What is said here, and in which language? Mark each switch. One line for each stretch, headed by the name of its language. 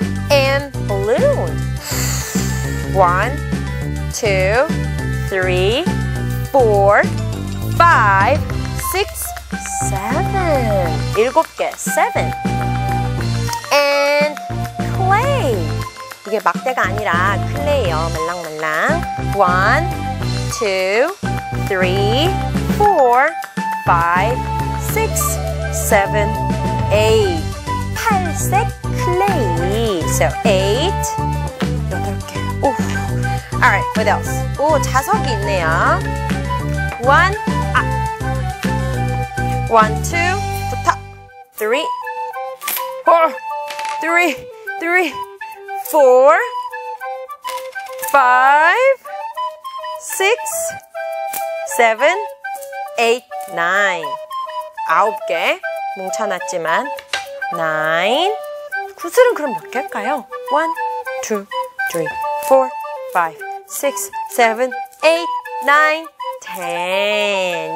English: And balloon. One, two, three, four, five, six, seven.
Korean: 일곱 개,
English: seven. And clay.
Korean: 이게 막대가 아니라 클레이요. 말랑말랑.
English: One, two, three, four, five, six, seven, eight.
Korean: 팔색 클레이.
English: So eight,
Korean: 여덟 개.
English: Oof. Alright, what else?
Korean: 오, 자석이 있네요.
English: One, one, two,
Korean: 부터.
English: Three, four, three, three, four, five, six, seven, eight, nine.
Korean: 아홉 개 뭉쳐놨지만,
English: nine.
Korean: 구슬은 그럼 몇 개일까요?
English: One, two, three, four, five, six, seven, eight, nine, ten.